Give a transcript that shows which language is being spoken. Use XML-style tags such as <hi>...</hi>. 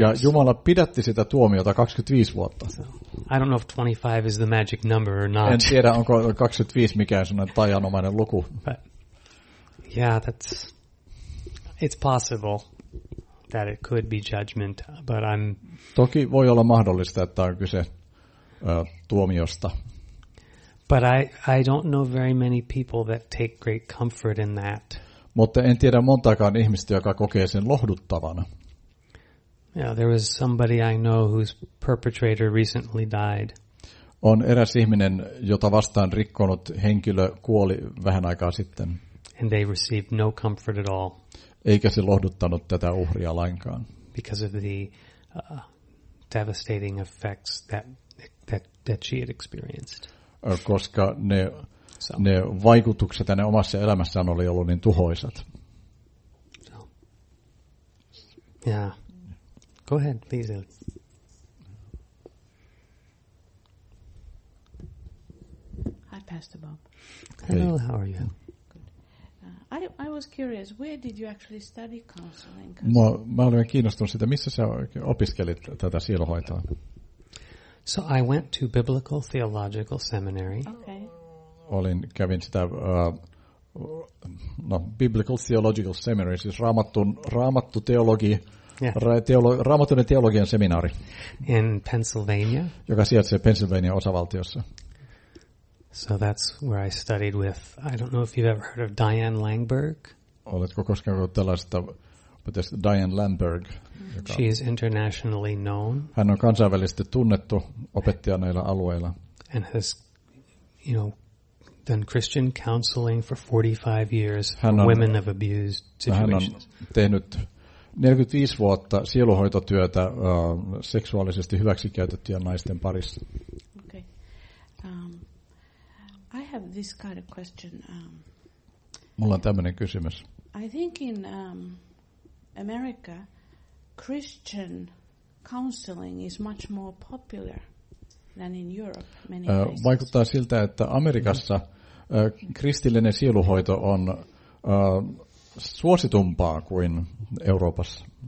<fi>Ja Jumala pidätti sitä tuomiota 25 vuotta.</fi> <en>So, I don't know if 25 is the magic number or not.</en> <fi>En tiedä, onko 25 mikään sellainen taianomainen luku.</fi> <en>But, yeah, that's it's possible that it could be judgment, but I'm</en> <fi>toki voi olla mahdollista, että on kyse tuomiosta.</fi> <en>But I don't know very many people that take great comfort in that.</en> <fi>Mutta en tiedä montaakaan ihmistä, joka kokee sen lohduttavana.</fi> <en>Yeah, there was somebody I know whose perpetrator recently died.</en> <fi>On eräs ihminen, jota vastaan rikkonut henkilö kuoli vähän aikaa sitten.</fi> <en>And they received no comfort at all.</en> <fi>Eikä se lohduttanut tätä uhria lainkaan.</fi> <en>Because of the devastating effects that she had experienced.</en> <fi>Koska ne vaikutukset hänen omassa elämässään oli ollut niin tuhoisat.</fi> <en>So. Yeah. Go ahead, please. Hi, Pastor Bob. Hey. Hello, how are you? Good. I was curious, where did you actually study counseling?</en> <fi>Mä olin kiinnostunut siitä, missä sä opiskelit tätä sielunhoitoa.</fi> <en>So I went to Biblical Theological Seminary. Okay.</en> <fi>Kävin sitä Biblical Theological Seminary, siis Raamattun teologian seminaari.</fi> <en>In Pennsylvania.</en> <fi>Joka sijaitsee Pennsylvania osavaltiossa.</fi> <en>So that's where I studied with, I don't know if you've ever heard of Diane Langberg.</en> <fi>Oletko koskaan kuullut tällaista, mutta Diane Langberg.</fi> <en>She is internationally known.</en> <fi>Hän on kansainvälisesti tunnettu opettaja näillä alueilla.</fi> <en>And has, you know, done Christian counseling for 45 years for women of abused situations.</en> <fi>Hän on tehnyt 45 vuotta sielunhoitotyötä seksuaalisesti hyväksikäytettyjen naisten parissa.</fi> <en>Okay. I have this kind of question.</en> <fi>Mulla on tämmöinen kysymys.</fi> <en>I think in America Christian counseling is much more popular than in Europe many places.</en> <fi>Vaikuttaa siltä, että Amerikassa kristillinen sieluhoito on suositumpaa kuin Euroopassa.</fi>